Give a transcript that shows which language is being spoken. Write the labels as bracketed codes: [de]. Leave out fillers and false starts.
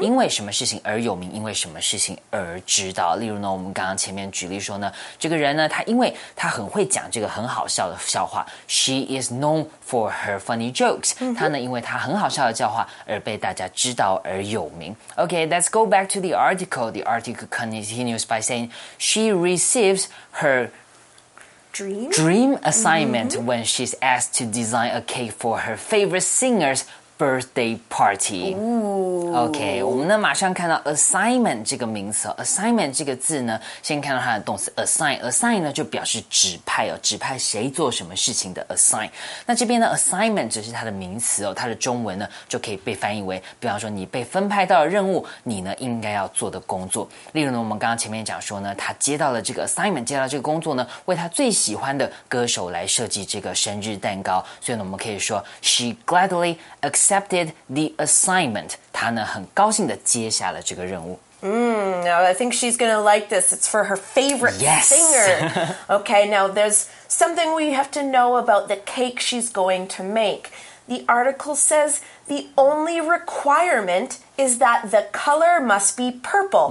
[zh] 因为什么事情而有名因为什么事情而知道。例如呢我们刚刚前面举例说呢这个人呢他因为他很会讲这个很好笑的笑话 [en] She is known for her funny jokes.、 [zh] Mm-hmm. 他呢因为他很好笑的笑话而被大家知道而有名。 [en] Okay, let's go back to the article. The article continues by saying she receives her dream assignment、mm-hmm. when she's asked to design a cake for her favorite singer's birthday party. Ooh. [zh] Okay, 我们呢马上看到 assignment 这个名词 assignment 这个字呢先看到它的动词 assign 呢就表示指派、哦、指派谁做什么事情的 assign 那这边呢 assignment 只是它的名词、哦、它的中文呢就可以被翻译为比方说你被分派到了任务你呢应该要做的工作例如呢我们刚刚前面讲说呢他接到了这个 assignment 接到了这个工作呢为他最喜欢的歌手来设计这个生日蛋糕所以呢我们可以说 [en] she gladly accepted the assignment. [zh] 她呢很高兴地接下了这个任务。 [en] Now I think she's going to like this. It's for her favorite、 yes. singer. Okay, now there's something we have to know about the cake she's going to make. The article says the only requirement is that the color must be purple,、